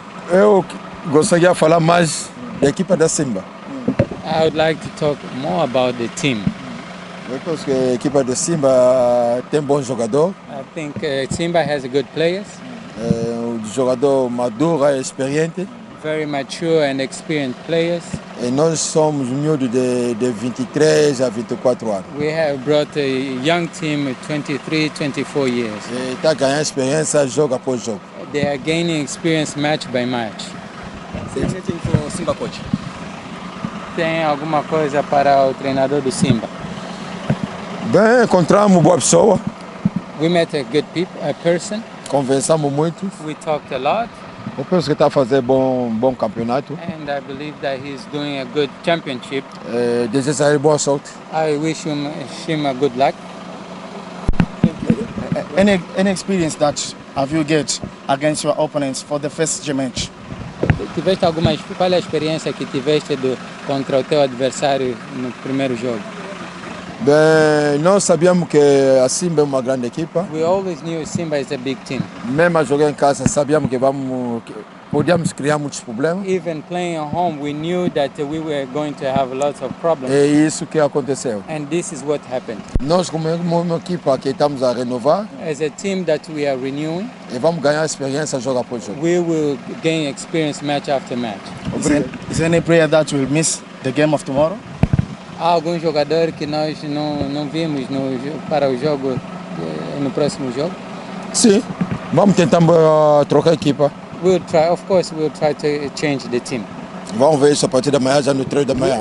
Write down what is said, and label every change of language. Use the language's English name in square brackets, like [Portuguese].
[Portuguese] Eu gostaria de falar mais da equipa da Simba. [English] I would like to talk more about the team. [Portuguese] Eu penso que a equipa da Simba tem bom jogador. [English] I think Simba has good players. [Portuguese] Jogador maduro e experiente. [English] Very mature and experienced players. [Portuguese] E nós somos miúdos de 23 a 24 anos. [English] We have brought a young team 23, 24 years. [Portuguese] E está ganhando experiência jogo após jogo. [English] They are gaining experience match by match. [Portuguese] Tem [English] anything for Simba coach? [Portuguese] Tem alguma coisa para o treinador do Simba? Bem, encontramos boa pessoa. [English] We met a good a person. [Portuguese] Conversamos muito. [English] We talked a lot. [Portuguese] Eu penso que está a fazer bom campeonato. [English] And I believe that he's doing a good championship. [Portuguese] Desejo ele boa sorte. [English] I wish him a good luck. Any experience that have you get against your opponents for the first match? [Portuguese] Tiveste alguma, qual é a experiência que tiveste contra o teu adversário no primeiro jogo? Bem, nós sabíamos que a Simba é uma grande equipa. [English] We always knew Simba is a big team. [Portuguese] Mesmo a jogar em casa, sabíamos que podíamos criar muitos problemas. [English] Even playing at home, we knew that we were going to have lots of problems. [Portuguese] É isso que aconteceu. [English] And this is what happened. [Portuguese] Nós como uma equipa que estamos a renovar. [English] As a team that we are renewing. [Portuguese] E vamos ganhar experiência jogo após jogo. [English] We will gain experience match after match. Is there any player that will miss the game of tomorrow? [Portuguese] Há algum jogador que nós não vimos para o jogo, no próximo jogo? Sim, vamos tentar trocar a equipa. [English] We'll try, of course, we'll try to change the team. [Portuguese] Vamos ver isso a partir da manhã, já no treino da manhã.